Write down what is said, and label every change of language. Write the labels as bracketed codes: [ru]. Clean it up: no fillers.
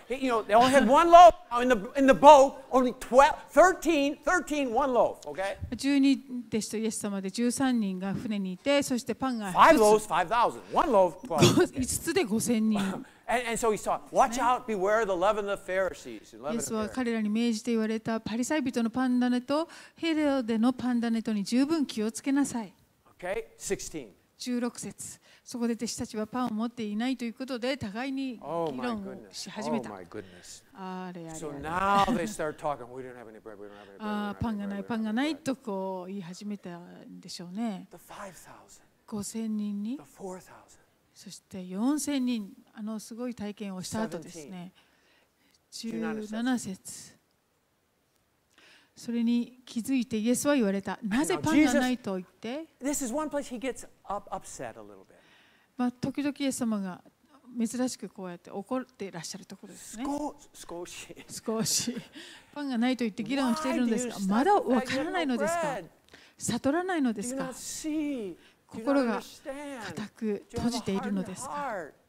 [en] You know, they only had one loaf in the boat, only 13, one loaf, okay? [ja] 12弟子とイエス様で13人が船にいて、そしてパンが1つ。 [en] Five loaves, 5,000. One loaf, 12. [ja] 5つで5,000人。 [en] And so he saw, watch out, beware the leaven of the Pharisees. [ja] イエスは彼らに命じて言われたパリサイ人のパンダネとヘロデのパンダネとに十分気をつけなさい。 [en] Okay, 16 [ja] 節。そこで弟子たちはパンを持っていないということで互いに議論をし始めた。 [en] Oh my goodness. So now they start talking, we don't have any bread, we don't have any bread. [ja] パンがない、パンがないとこう言い始めたんでしょうね。 [en] The 5,000 [ja] 人に。 [en] The 4,000. [ja] そして4,000人、あのすごい体験をした後ですね。 17節。それに気づいてイエスは言われた。なぜパンがないと言って。 This is one place he gets upset a little bit. まあ時々イエス様が珍しくこうやって怒っていらっしゃるところですね。少しパンがないと言って議論しているのですが、まだわからないのですか。悟らないのですか。心が固く閉じているのですか。